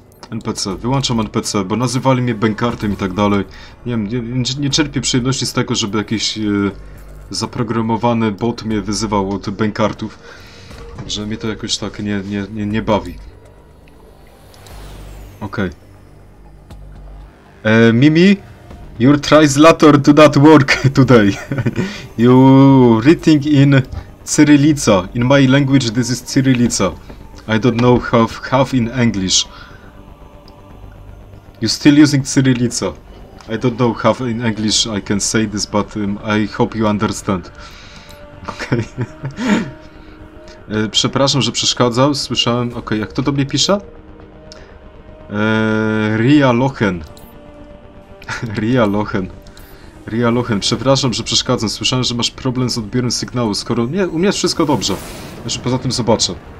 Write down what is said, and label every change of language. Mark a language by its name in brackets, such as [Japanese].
[Polish] NPC, wyłączam NPC, bo nazywali mnie bękartem i tak dalej. Nie czerpię przyjemności z tego, żeby jakiś zaprogramowany bot mnie wyzywał od bękartów. Że mnie to jakoś tak nie bawi. Okej. [English] Mimi, your translator do not work today. You reading in Cyrylica. In my language this is Cyrylica. I don't know half in English. You still using Cyrylica. I don't know half in English I can say this, but I hope you understand. [Polish] Okej. przepraszam, że przeszkadzał. Słyszałem... Okej, jak to do mnie pisze? Ria Lohen. Ria Lohen. Ria Lohen, przepraszam, że przeszkadzam. Słyszałem, że masz problem z odbiorem sygnału, skoro... Nie, u mnie wszystko dobrze. Jeszcze poza tym zobaczę.